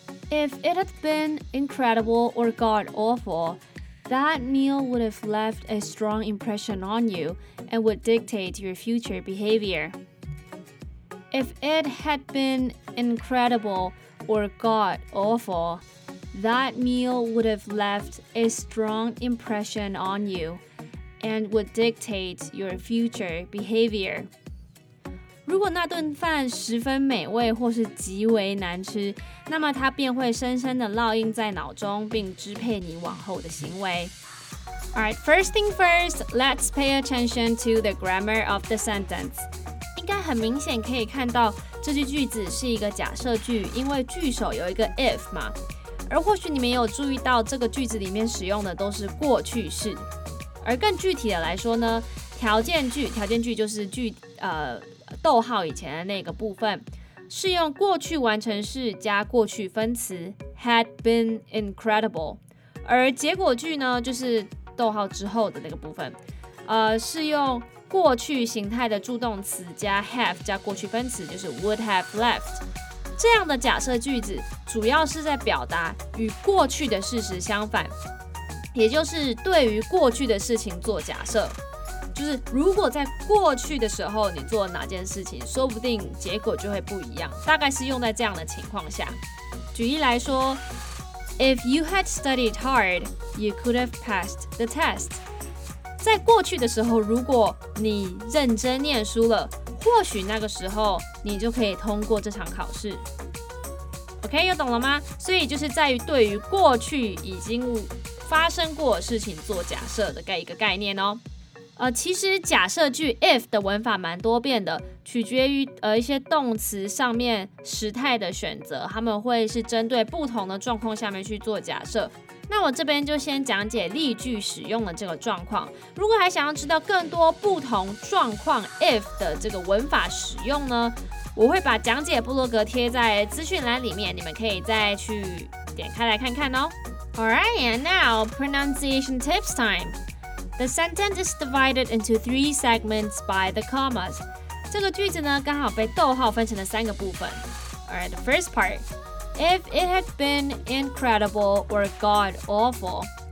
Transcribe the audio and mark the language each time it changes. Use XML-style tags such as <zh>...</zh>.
<en>If it had been incredible or god-awful, that meal would have left a strong impression on you and would dictate your future behavior. If it had been incredible or god-awful, that meal would have left a strong impression on you and would dictate your future behavior.</en> <zh>如果那顿饭十分美味或是极为难吃，那么它便会深深地烙印在脑中，并支配你往后的行为。</zh> <en>Alright, first thing first, let's pay attention to the grammar of the sentence.</en> <zh>应该很明显可以看到这句句子是一个假设句，因为句首有一个 if 嘛。而或许你没有注意到这个句子里面使用的都是过去式。而更具体的来说呢，条件句就是句逗号以前的那个部分，是用过去完成式加过去分词</zh> <en>had been incredible，</en> <zh>而结果句呢就是逗号之后的那个部分，是用过去形态的助动词加 have 加过去分词，就是</zh> <en>would have left。</en> <zh>这样的假设句子主要是在表达与过去的事实相反。也就是对于过去的事情做假设，就是如果在过去的时候你做哪件事情，说不定结果就会不一样，大概是用在这样的情况下。举例来说，</zh> <en>If you had studied hard, you could have passed the test.</en> <zh>在过去的时候，如果你认真念书了，或许那个时候你就可以通过这场考试。OK, 又懂了吗？所以就是在于对于过去已经发生过的事情做假设的一个概念哦。其实假设句 if 的文法蛮多变的，取决于一些动词上面时态的选择，他们会是针对不同的状况下面去做假设。那我这边就先讲解例句使用的这个状况，如果还想要知道更多不同状况 if 的这个文法使用呢，我会把讲解部落格贴在资讯栏里面，你们可以再去点开来看看哦。</zh> <en>Alright, and now pronunciation tips time. The sentence is divided into three segments by the commas.</en> <zh>这个句子呢，刚好被逗号分成了三个部分。</zh> <en>Alright, the first part. If it had been incredible or god-awful.</en>